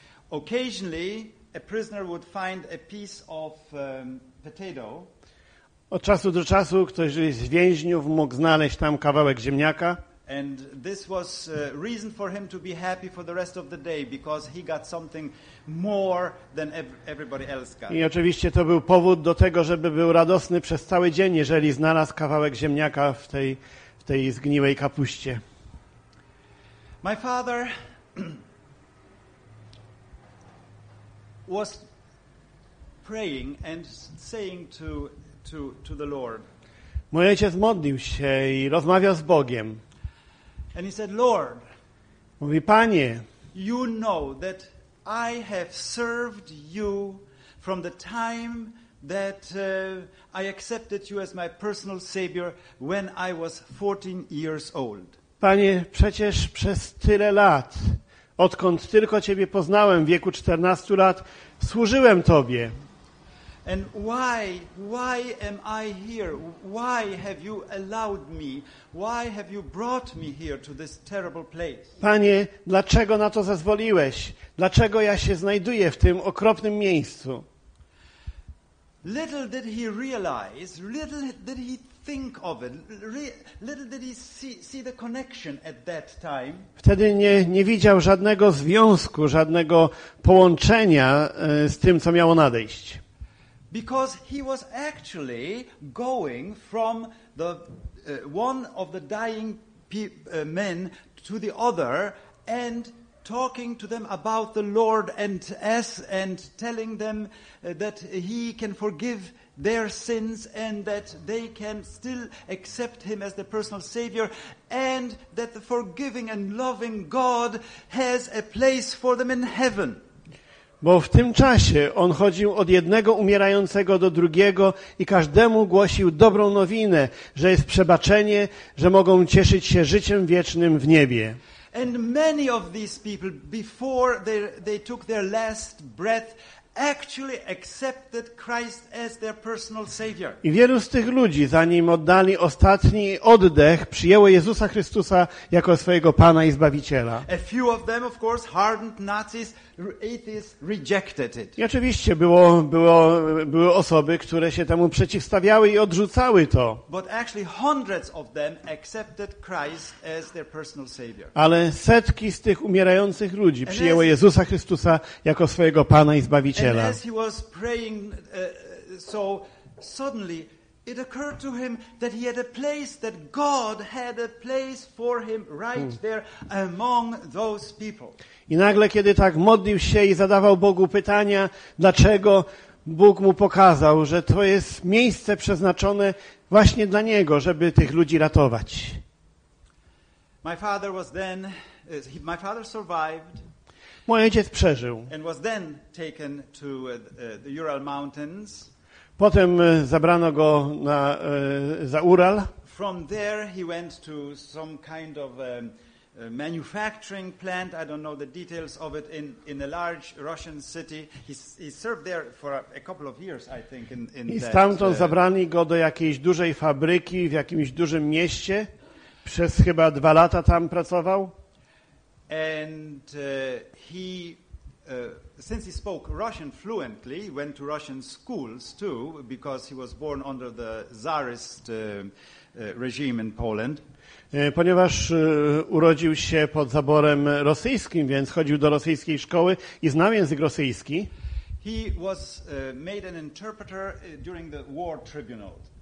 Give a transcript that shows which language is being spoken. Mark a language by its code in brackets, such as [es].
[en] Occasionally a prisoner would find a piece of potato. [pl] Od czasu do czasu ktoś z więźniów mógł znaleźć tam kawałek ziemniaka. [en] And this was reason for him to be happy for the rest of the day because he got something more than everybody else got. [pl] I oczywiście to był powód do tego, żeby był radosny przez cały dzień, jeżeli znalazł kawałek ziemniaka w tej zgniłej kapuście. [en] My father was praying and saying to the Lord. [pl] Mój ojciec modlił się i rozmawiał z Bogiem. [en] And he said, Lord, [pl] mówi, Panie, [en] you know that I have served you from the time that I accepted you as my personal savior when I was 14 years old. [pl] Panie, przecież przez tyle lat, odkąd tylko Ciebie poznałem w wieku 14 lat, służyłem Tobie. [en] And why am I here? Why have you allowed me? Why have you brought me here to this terrible place? [pl] Panie, dlaczego na to zezwoliłeś? Dlaczego ja się znajduję w tym okropnym miejscu? [en] Little did he realize, little did he think of it, little did he see the connection at that time. [pl] Wtedy nie widział żadnego związku, żadnego połączenia z tym, co miało nadejść. [en] Because he was actually going from the one of the dying men to the other and talking to them about the Lord and telling them that he can forgive their sins and that they can still accept him as their personal savior and that the forgiving and loving God has a place for them in heaven. [pl] Bo w tym czasie on chodził od jednego umierającego do drugiego i każdemu głosił dobrą nowinę, że jest przebaczenie, że mogą cieszyć się życiem wiecznym w niebie. [en] And many of these people, before they took their last breath, actually accepted Christ as their personal savior. [pl] I wielu z tych ludzi, zanim oddali ostatni oddech, przyjęło Jezusa Chrystusa jako swojego Pana i Zbawiciela. [en] A few of them, of course, hardened Nazis, atheists, rejected it. [pl] I oczywiście były osoby, które się temu przeciwstawiały i odrzucały to. [en] But actually hundreds of them accepted Christ as their personal savior. [pl] Ale setki z tych umierających ludzi przyjęło Jezusa Chrystusa jako swojego Pana i Zbawiciela. [en] And as he was praying, so suddenly it occurred to him that he had a place, that God had a place for him right there among those people. [pl] I nagle, kiedy tak modlił się i zadawał Bogu pytania, dlaczego, Bóg mu pokazał, że to jest miejsce przeznaczone właśnie dla niego, żeby tych ludzi ratować. [en] My father was then, my father survived. [pl] Mój ojciec przeżył. [en] And was then taken to the Ural Mountains. [pl] Potem zabrano go na za Ural. [en] From there he went to some kind of manufacturing plant. I don't know the details of it in a large Russian city. He served there for a couple of years, I think. [pl] I stamtąd zabrali go do jakiejś dużej fabryki w jakimś dużym mieście. Przez chyba 2 lata tam pracował. [en] And he, since he spoke Russian fluently, went to Russian schools too, because he was born under the Tsarist regime in Poland. [pl] Ponieważ urodził się pod zaborem rosyjskim, więc chodził do rosyjskiej szkoły i znał język rosyjski. [en] He was made an interpreter during the war tribunal.